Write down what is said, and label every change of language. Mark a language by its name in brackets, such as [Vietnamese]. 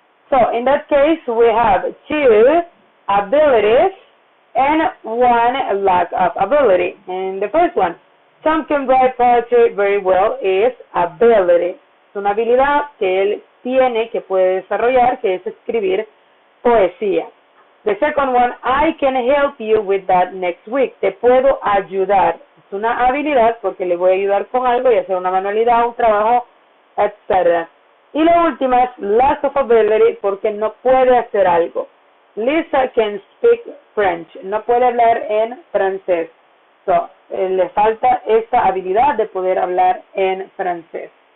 [English] So, in that case, we have two abilities and one lack of ability. And the first one, Tom can write poetry very well, is ability. [Spanish] Es una habilidad que él tiene, que puede desarrollar, que es escribir poesía. [English] The second one, I can help you with that next week. [Spanish] Te puedo ayudar. Es una habilidad porque le voy a ayudar con algo y hacer una manualidad, un trabajo, etc. Y la última es [English] lack of ability [Spanish] porque no puede hacer algo. [English] Lisa can speak French. [Spanish] No puede hablar en francés. So, le falta esa habilidad de poder hablar en francés.